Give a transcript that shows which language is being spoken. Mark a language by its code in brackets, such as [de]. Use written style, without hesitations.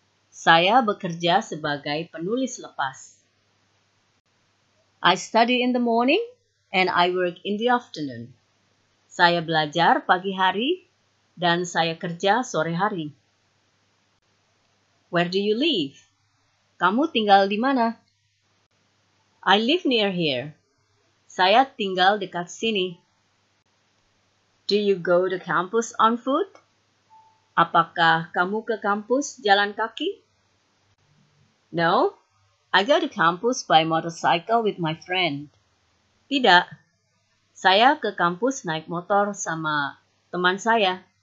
[id] Saya bekerja sebagai penulis lepas. [en] I study in the morning and I work in the afternoon. [id] Saya belajar pagi hari dan saya kerja sore hari. [en] Where do you live? [id] Kamu tinggal di mana? [en] I live near here. [id] Saya tinggal dekat sini. [en] Do you go to campus on foot? [id] Apakah kamu ke kampus jalan kaki? [en] No, I go to campus by motorcycle with my friend. [id] Tidak, saya ke kampus naik motor sama teman saya.